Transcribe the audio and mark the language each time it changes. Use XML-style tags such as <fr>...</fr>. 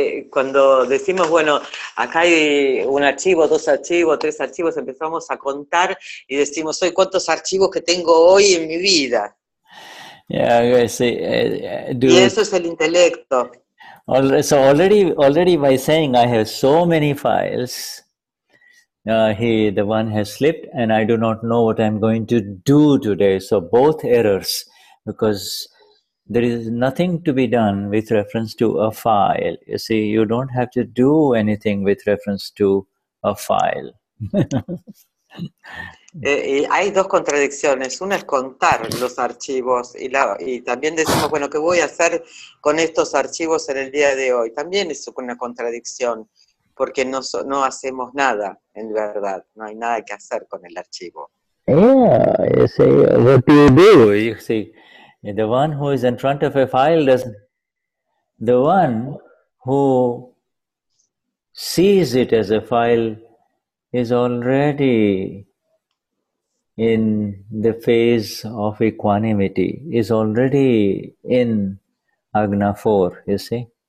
<es>cuando decimos, bueno, acá hay un archivo, dos archivos, tres archivos, empezamos a contar y decimos, hoy, ¿cuántos archivos que tengo hoy en mi vida?</es> <en>Yeah, I see.</en> <es>Y eso es el intelecto.</es> <en>So already by saying I have so many files, the one has slipped and I do not know what I'm going to do today. So both errors, because there is nothing to be done with reference to a file. You see, you don't have to do anything with reference to a file.</en> <es>Hay dos contradicciones. Una es contar los archivos y también decimos, bueno, ¿qué voy a hacer con estos archivos en el día de hoy? También es una contradicción, porque no hacemos nada, en verdad. No hay nada que hacer con el archivo.</es> <en>Yeah, you see, what do you do? You see, the one who is in front of a file doesn't... The one who sees it as a file is already in the phase of equanimity, is already in Agna 4, you see?</en>